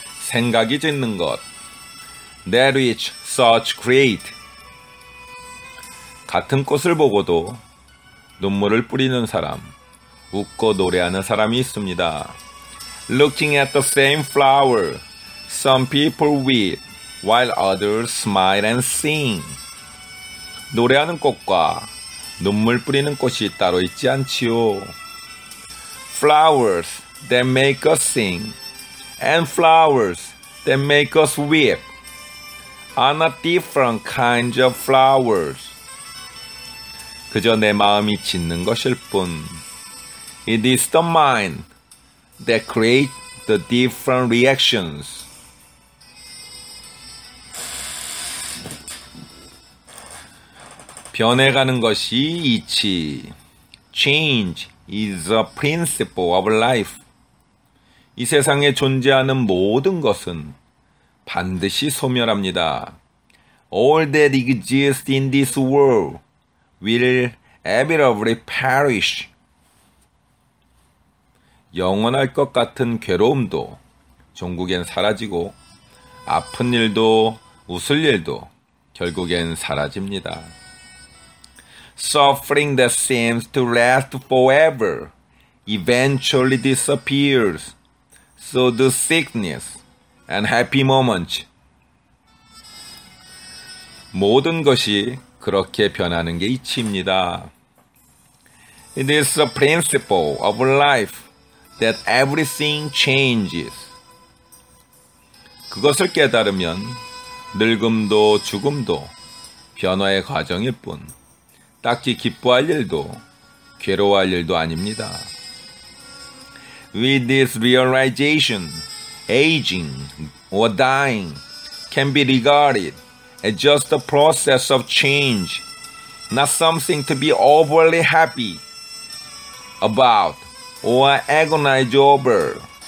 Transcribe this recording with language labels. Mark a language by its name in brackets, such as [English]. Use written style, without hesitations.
[Korean] 생각이 짓는 것, [English] that which such great. [Korean] 같은 꽃을 보고도 눈물을 뿌리는 사람, 웃고 노래하는 사람이 있습니다. [English] Looking at the same flower, some people weep, while others smile and sing. [Korean] 노래하는 꽃과 눈물 뿌리는 꽃이 따로 있지 않지요. [English] Flowers that make us sing, and flowers that make us weep are not different kinds of flowers. [Korean] 그저 내 마음이 짓는 것일 뿐. [English] It is the mind that creates the different reactions. [Korean] 변해가는 것이 이치. [English] Change is a principle of life. [Korean] 이 세상에 존재하는 모든 것은 반드시 소멸합니다. [English] All that exists in this world will inevitably perish. [Korean] 영원할 것 같은 괴로움도 종국엔 사라지고 아픈 일도 웃을 일도 결국엔 사라집니다. [English] Suffering that seems to last forever eventually disappears. So do sickness and happy moments. [Korean] 모든 것이 그렇게 변하는 게 이치입니다. [English] It is a principle of life that everything changes. [Korean] 그것을 깨달으면 늙음도 죽음도 변화의 과정일 뿐 딱히 기뻐할 일도 괴로워할 일도 아닙니다. [English] With this realization, aging or dying can be regarded as just a process of change, not something to be overly happy about or agonize over.